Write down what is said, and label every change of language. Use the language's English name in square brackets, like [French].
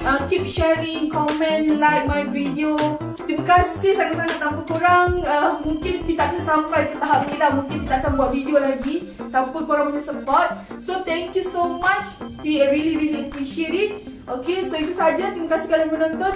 [English] keep sharing, comment, like my video. [Malay] Terima kasih sangat-sangat tanpa korang. Mungkin kita akan sampai ke tahap ni lah. Mungkin kita akan buat video lagi tanpa korang punya support. [English] So thank you so much. We really really appreciate it. Okay, so [Malay] itu saja. Terima kasih kerana menonton.